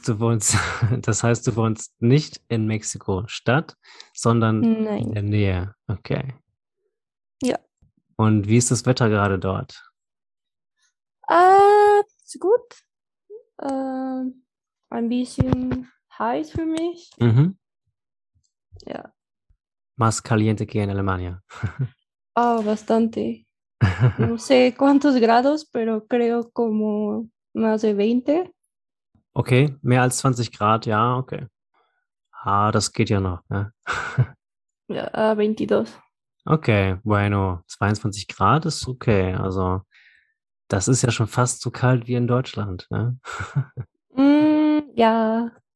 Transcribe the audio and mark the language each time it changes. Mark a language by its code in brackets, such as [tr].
[de] Das heißt, du wohnst nicht in Mexiko-Stadt, sondern Nein. In der Nähe. Okay. Ja. Und wie ist das Wetter gerade dort? Ist gut. Ein bisschen heiß für mich. Mhm. Ja. [es] Más caliente que en Alemania. Ah, bastante. No sé cuántos grados, pero creo como más de 20. [de] Okay, mehr als 20 Grad, ja, okay. Ah, das geht ja noch, ne? Ja, 22. Okay, bueno, 22 Grad ist okay. Also, das ist ja schon fast so kalt wie in Deutschland, ne? Ja.